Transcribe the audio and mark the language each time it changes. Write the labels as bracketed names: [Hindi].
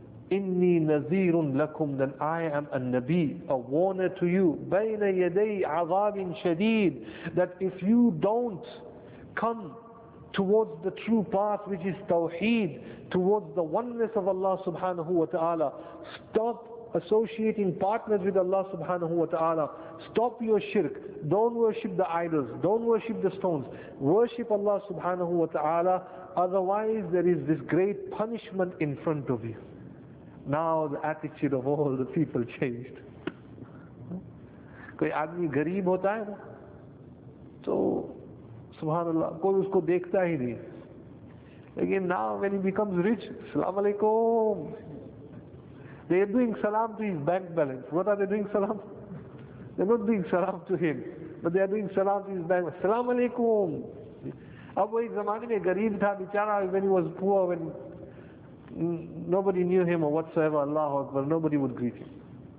[Arabic] inni nazirun lakum, [English] then I am a nabi, a warner to you, [Arabic] bayna yaday azabin shadeed, [English] that if you don't come towards the true path, which is tawheed, towards the oneness of Allah subhanahu wa ta'ala, stop associating partners with Allah subhanahu wa ta'ala, stop your shirk, don't worship the idols, don't worship the stones, worship Allah subhanahu wa ta'ala, otherwise there is this great punishment in front of you. Now the attitude of all the people changed. [Urdu] کوئی آدمی غریب ہوتا ہے نا، so سبحان اللہ، کوئی اس کو دیکھتا ہی نہیں۔ [English] Again, now when he becomes rich, assalamu alaikum. They are doing salam to his bank balance. What are they doing salam? They are not doing salam to him, but they are doing salam to his bank balance. Assalamu alaikum. [Urdu] اب وہ ایک زمانے میں غریب تھا بیچارہ، [English] when he was poor, when nobody knew him or whatsoever, اللہ اکبر، nobody would greet him.